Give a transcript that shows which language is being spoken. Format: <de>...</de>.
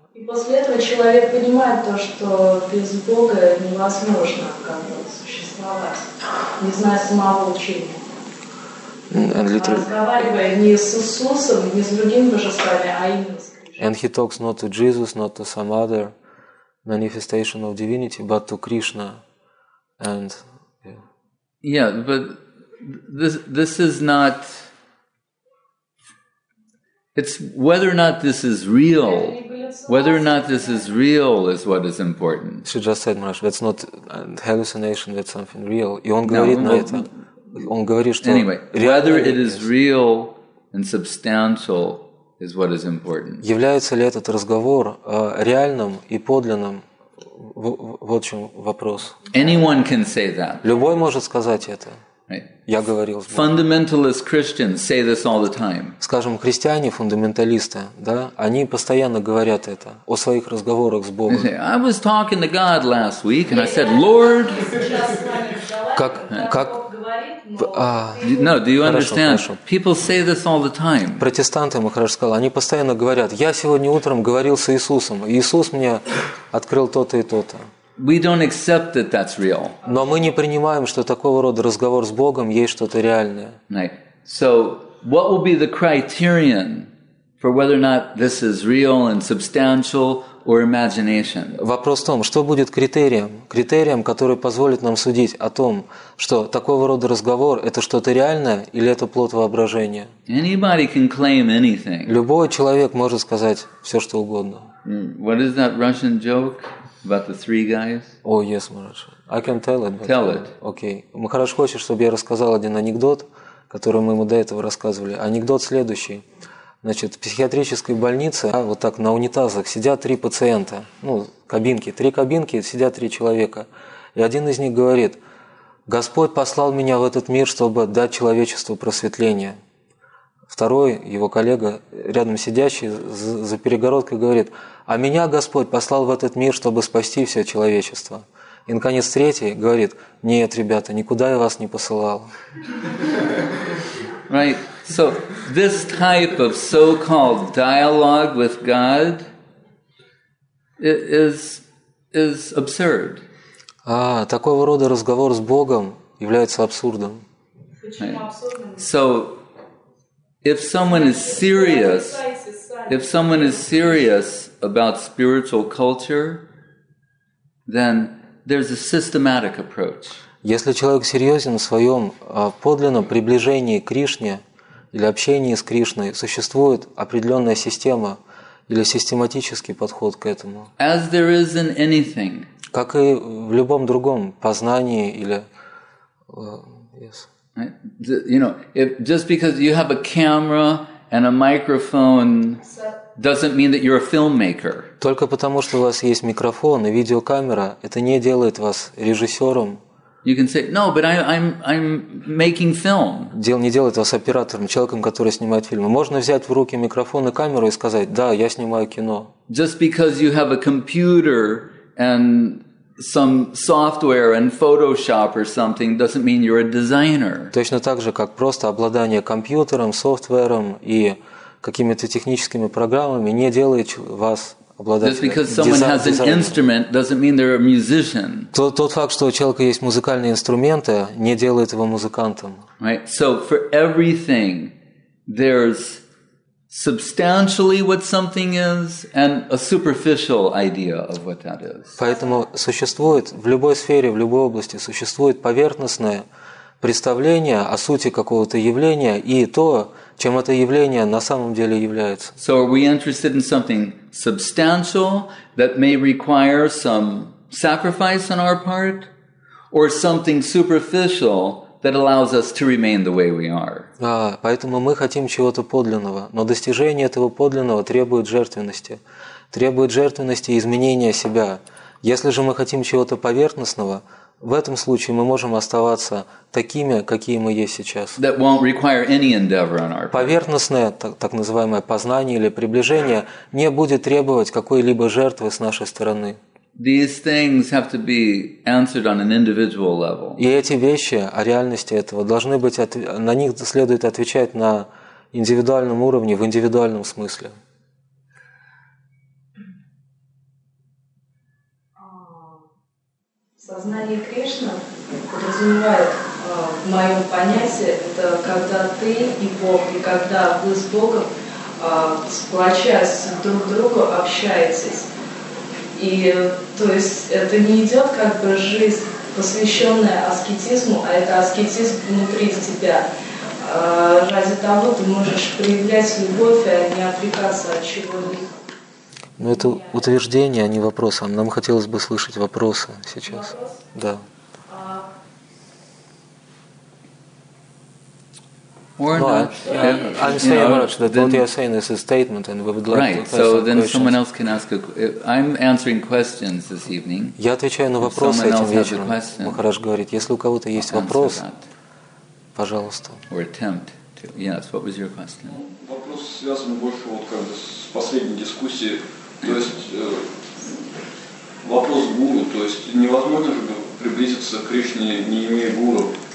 <ru>И после этого человек понимает то, что без Бога невозможно как-то существовать, не зная самого учения.</ru> <en>And literally,</en> <ru>разговаривая не с Иисусом, не с другими божествами, а именно с Кришной.</ru> <en>And he talks not to Jesus, not to some other manifestation of divinity, but to Krishna, and But this is not. It's whether or not this is real. Whether or not this is real is what is important. She just said, "Marsh, that's not a hallucination. That's something real."</en> <ru>И он говорит на это. Он говорит, что</ru> <en>anyway, whether it is real and substantial is what is important.</en> <ru>Является ли этот разговор реальным и подлинным? Вот в чем вопрос.</ru> <en>Anyone can say that.</en> <ru>Любой может сказать это.</ru> <en>Right.</en> <ru>Я говорил.</ru> <en>Fundamentalist Christians say this all the time.</en> <ru>Скажем, христиане, фундаменталисты, да, они постоянно говорят это о своих разговорах с Богом.</ru> <en>They say, I was talking to God last week, and I said, Lord.</en> <ru>Как?</ru> <en>No, do you understand? People say this all the time.</en> <ru>Протестанты, Махарадж сказал, они постоянно говорят: я сегодня утром говорил с Иисусом, Иисус мне открыл то-то и то-то.</ru> <en>We don't accept that that's real.</en> <ru>Но мы не принимаем, что такого рода разговор с Богом есть что-то реальное.</ru> <en>Right. So, what will be the criterion for whether or not this is real and substantial or imagination?</en> <ru>Вопрос в том, что будет критерием, который позволит нам судить о том, что такого рода разговор это что-то реальное или это плод воображения?</ru> <en>Anybody can claim anything.</en> <ru>Любой человек может сказать все что угодно.</ru> <en>What is that Russian joke? About the three guys? Oh, yes, Maharaj. I can tell it. But tell it. Okay.</en> <ru>Maharaj хочет, чтобы я рассказал один анекдот, который мы ему до этого рассказывали. Анекдот следующий. Значит, в психиатрической больнице, вот так на унитазах, сидят три пациента. Ну, кабинки. Три кабинки, сидят три человека. И один из них говорит: «Господь послал меня в этот мир, чтобы дать человечеству просветление». Второй, его коллега, рядом сидящий, за перегородкой говорит: «А меня Господь послал в этот мир, чтобы спасти все человечество». И, наконец, третий говорит: «Нет, ребята, никуда я вас не посылал».</ru> <en>Right. So, this type of so-called dialogue with God is absurd.</en> <ru>А, такого рода разговор с Богом является абсурдом.</ru> <en>Right. So, if someone is serious about spiritual culture, then there's a systematic approach.</en> <ru>Если человек серьезен в своем подлинном приближении к Кришне или общении с Кришной, существует определенная система или систематический подход к этому.</ru> <en>As there is in anything.</en> <ru>Как и в любом другом познании или yes.</ru> <en>You know, if just because you have a camera and a microphone doesn't mean that you're a filmmaker.</en> <ru>Только потому что у вас есть микрофон и видеокамера, это не делает вас режиссером.</ru> <en>You can say, no, but I'm making film.</en> <ru>Дело не делает вас оператором, человеком, который снимает фильмы. Можно взять в руки микрофон и камеру и сказать: да, я снимаю кино.</ru> <en>Just because you have a computer and some software and Photoshop or something doesn't mean you're a designer.</en> <ru>Точно так же, как просто обладание компьютером, софтвером и какими-то техническими программами не делает вас обладателем.</ru> <en>Just because someone has an instrument doesn't mean they're a musician.</en> <ru>Тот факт, что у человека есть музыкальные инструменты, не делает его музыкантом.</ru> <en>Right. So for everything, there's substantially what something is and a superficial idea of what that is.</en> <ru>Поэтому существует в любой сфере, в любой области существует поверхностное представление о сути какого-то явления и то, чем это явление на самом деле является.</ru> <en>So are we interested in something substantial that may require some sacrifice on our part or something superficial that allows us to remain the way we are.</en> <ru>А, поэтому мы хотим чего-то подлинного, но достижение этого подлинного требует жертвенности и изменения себя. Если же мы хотим чего-то поверхностного, в этом случае мы можем оставаться такими, какие мы есть сейчас.</ru> <en>That won't require any endeavor on our part.</en> <ru>Поверхностное, так называемое познание или приближение, не будет требовать какой-либо жертвы с нашей стороны. These things have to be answered on an individual level. И эти вещи о реальности этого должны быть на них следует отвечать на индивидуальном уровне, в индивидуальном смысле. Сознание Кришны подразумевает в моем понятии это когда ты и Бог, и когда вы с Богом сплочаясь друг к другу общаетесь. И то есть это не идет как бы жизнь, посвященная аскетизму, а это аскетизм внутри тебя. Ради того ты можешь проявлять любовь, а не отрекаться от чего-либо. Но это утверждение, а не вопрос. А нам хотелось бы слышать вопросы сейчас. Вопрос? Да.</ru> <en>or no, not. I'm saying, you know, Maharaj, that then, what you're saying is a statement, and we would like right, so then questions. Someone else can ask a question. I'm answering questions this evening.</en> <ru>Я отвечаю на вопросы этим вечером. Махарадж говорит, если у кого-то есть вопрос, пожалуйста.</ru> <en>Or attempt to. Yes, what was your question?</en> <ru>Вопрос связан больше вот как с последней дискуссией. То есть вопрос гуру, то есть невозможно же приблизиться к Кришне, не имея гуру.</ru>